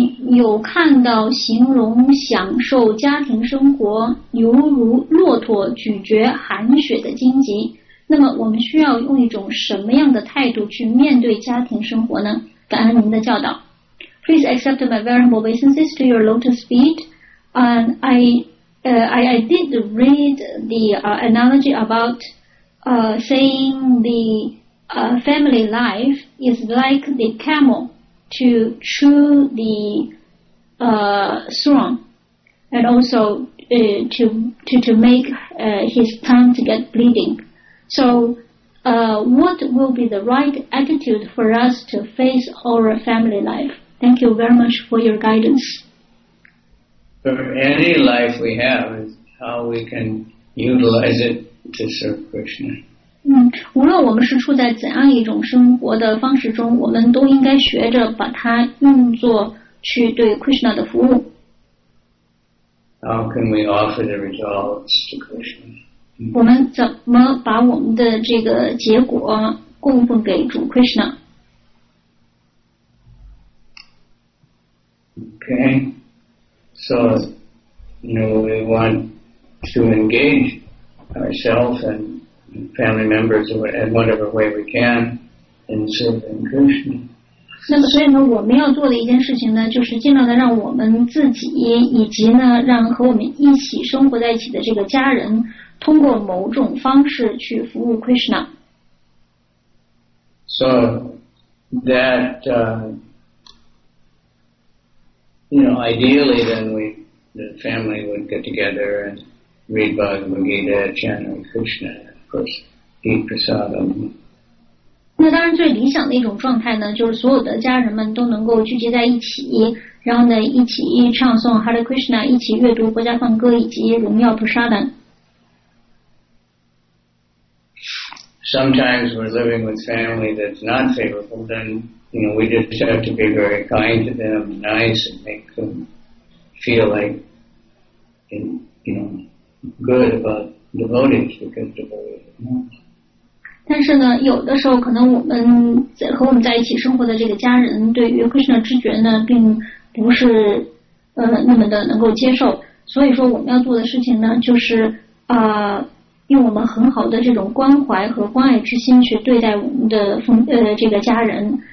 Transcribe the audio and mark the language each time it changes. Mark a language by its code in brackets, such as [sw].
[zh] 有看到形容享受家庭生活犹如骆驼咀嚼寒雪的荆棘，那么我们需要用一种什么样的态度去面对家庭生活呢？感恩您的教导。 [en] Please accept my very humble obeisances to your lotus feet, and I did read the analogy about saying the family life is like the camel to chew the thorn, and also to make his tongue to get bleeding. So what will be the right attitude for us to face our family life? Thank you very much for your guidance. For any life we have is how we can utilize it to serve Krishna. [zh] 无论我们是处在怎样一种生活的方式中，我们都应该学着把它用作去对 Krishna 的服务。 [en] How can we offer the results to Krishna? [zh] 我们怎么把我们的这个结果供奉给主 Krishna? [en] Okay. So, you know, we want to engage ourselves and family members in whatever way we can in serving Krishna. [zh] 那么所以呢，我们要做的一件事情呢，就是尽量的让我们自己以及呢，让和我们一起生活在一起的这个家人，通过某种方式去服务 Krishna. [en] So that. You know, ideally then the family would get together and read Bhagavad Gita, chant Krishna, of course, eat prasadam. [zh] 那当然最理想的一种状态呢，就是所有的家人们都能够聚集在一起，然后呢一起唱诵 Hare Krishna, 一起阅读薄伽梵歌以及荣耀 prasadam. [en] Sometimes we're living with family that's not favorable, then... You know, we just have to be very kind to them, nice, and make them feel like, you know, good about devotees, because devotees are nice. [zh] 但是呢，有的时候可能我们在和我们在一起生活的这个家人，对于 Krishna 知觉呢，并不是那么的能够接受。所以说，我们要做的事情呢，就是用我们很好的这种关怀和关爱之心去对待我们的这个家人。